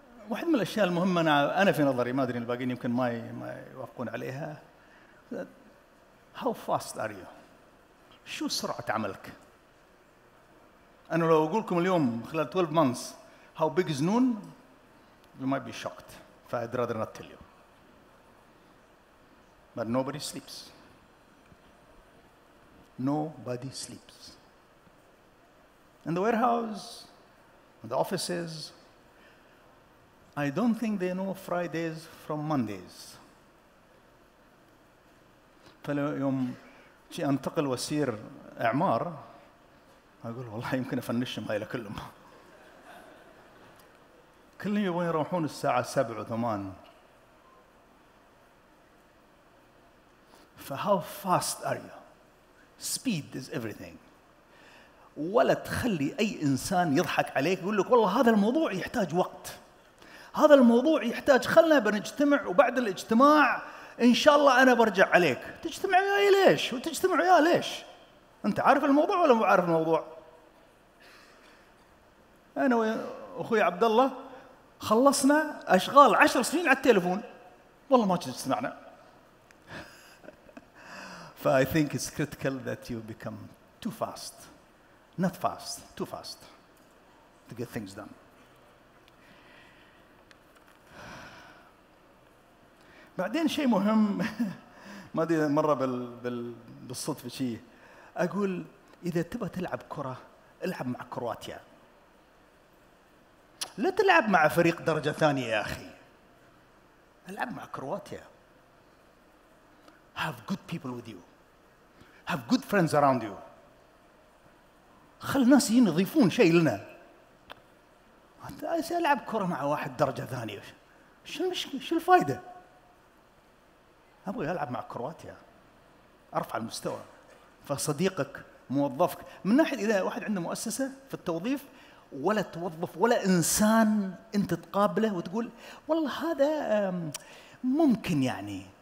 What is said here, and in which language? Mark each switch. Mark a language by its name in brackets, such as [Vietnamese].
[Arabic] واحد من الأشياء المهمة أنا في نظري ما أدري الباقيين يمكن ما يوافقون عليها. [English] How fast are you? [Arabic] شو سرعة عملك؟ أنا لو أقولكم اليوم خلال 12 [English] months how big is noon, you might be shocked. [Arabic] فأنا [English] rather not tell you. But nobody sleeps. Nobody sleeps. In the warehouse, in the offices, I don't think they know Fridays from Mondays. [Arabic] فلو يوم شيء أنتقل وأسير إعمار، أقول والله يمكن أفنشهم هاي لكلهم. كلهم يبغون يروحون الساعة 7 or 8. [English] فهاو فاست ار يو؟ سبيد از ايفريثينج. [Arabic] ولا تخلي اي انسان يضحك عليك يقول لك والله هذا الموضوع يحتاج وقت، هذا الموضوع يحتاج، خلنا بنجتمع وبعد الاجتماع ان شاء الله انا برجع عليك. تجتمع وياي ليش؟ وتجتمع وياي ليش؟ انت عارف الموضوع ولا مو عارف الموضوع؟ انا واخوي عبد الله خلصنا اشغال 10 سنين على التليفون، والله ما اجتمعنا. [English] I think it's critical that you become too fast. Not fast, too fast to get things done. [Arabic] بعدين شيء مهم ما ادري مرة بالصدفة شيء اقول اذا تبغى تلعب كرة العب مع كرواتيا. لا تلعب مع فريق درجة ثانية يا اخي. العب مع كرواتيا. [English] Have good people with you. Have good friends around you. [Arabic] خل الناس يضيفون شيء لنا. أنت ألعب كرة مع واحد درجة ثانية. شو الفائدة؟ أبغى ألعب مع كرواتيا. أرفع المستوى. فصديقك موظفك من ناحية إذا واحد عنده مؤسسة في التوظيف ولا توظف ولا إنسان أنت تقابله وتقول والله هذا ممكن يعني.